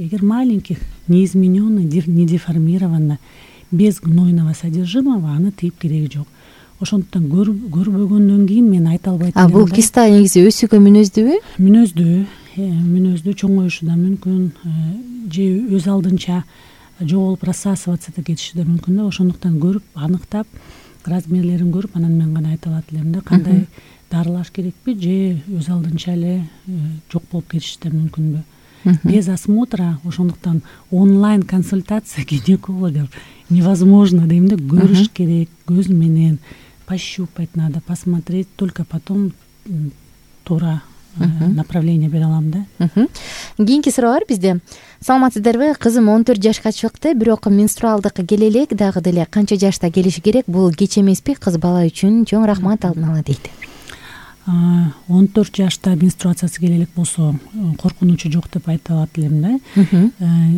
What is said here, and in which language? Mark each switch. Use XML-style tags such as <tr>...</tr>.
<ru>Егер маленьких, неизменённо, недеформированно, без гнойного содержимого,</ru> <ky>аны тыйып кереги жок. Ошондуктан көрбөгөндөн кийин мен айта албайт элем. Бул киста негизи өсүүгө мүнөздүүбү? Мүнөздүү. Мүнөздүү, чоңоюшу да мүмкүн, же өз алдынча жоголуп рассасываться да кетиши да мүмкүн да. Ошондуктан көрүп, аныктап, размерлерин көрүп, анан мен гана айта алат элем да, кандай дарылаш керекпи, же өз алдынча эле жок болуп кетиши да мүмкүнбү.</ky> <ru>Без осмотра,</ru> <ky>ошондуктан</ky> <ru>онлайн консультация гинекологов невозможно</ru> <ky>дейм да, көрүш керек, көз менен</ky> <ru>пощупать надо, посмотреть, только потом</ru> <ky>туура направление бере алам да. Кийинки суроо бар бизде. Саламатсыздарбы, кызым 14 жашка чыкты, бирок менструалдык келе элек дагы деле канча жашта келиши керек, бул кеч эмеспи? Кыз бала үчүн чоң рахмат алдын ала дейт. 14 жашта менструациясы келе элек болсо коркунучу жок деп айта алат элем да.</ky>